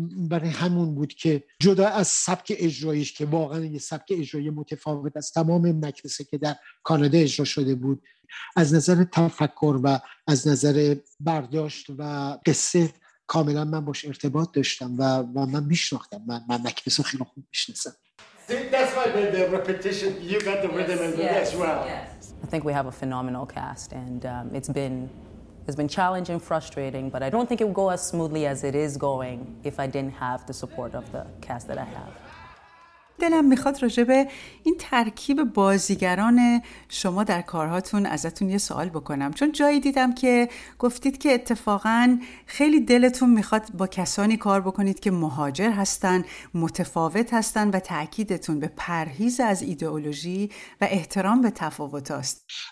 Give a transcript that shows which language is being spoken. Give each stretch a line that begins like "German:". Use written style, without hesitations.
Persian: برای همون بود که جدا از سبک اجراییش که واقعا یه سبک اجرایی متفاوت از تمام مکبثی که در کانادا اجرا شده بود، از نظر تفکر و از نظر برداشت و قصه کاملا من باش ارتباط داشتم و من میشناختم، من مکبثو خیلی خوب میشناسم.
English: That's why the repetition, you got the rhythm and the as well. Yes. I think we have a phenomenal cast and it's been challenging, frustrating, but I don't think it would go as smoothly as it is going if I didn't have the support of the cast that I have.
Persian: دلم میخواد راجع به این ترکیب بازیگران شما در کارهاتون ازتون یه سوال بکنم، چون جایی دیدم که گفتید که اتفاقا خیلی دلتون میخواد با کسانی کار بکنید که مهاجر هستن، متفاوت هستن و تأکیدتون به پرهیز از ایدئولوژی و احترام به تفاوت هاست.